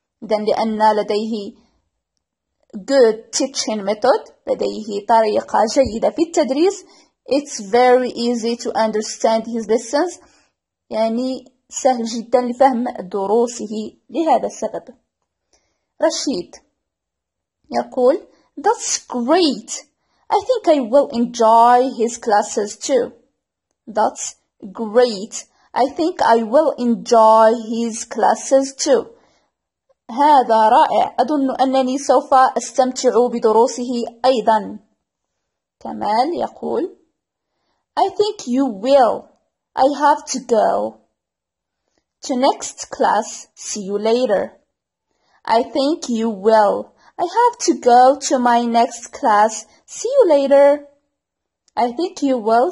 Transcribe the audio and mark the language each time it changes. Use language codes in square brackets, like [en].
[ar] إذن لأن لديه [en] good teaching method. [ar] لديه طريقة جيدة في التدريس. [en] It's very easy to understand his lessons. [ar] يعني سهل جدا لفهم دروسه لهذا السبب. رشيد يقول [en] That's great. I think I will enjoy his classes too. That's great. I think I will enjoy his classes too. [ar] هذا رائع. أظن أنني سوف أستمتع بدروسه أيضا. كمال يقول [en] I think you will. I have to go to next class. See you later. I think you will. I have to go to my next class. See you later. I think you will.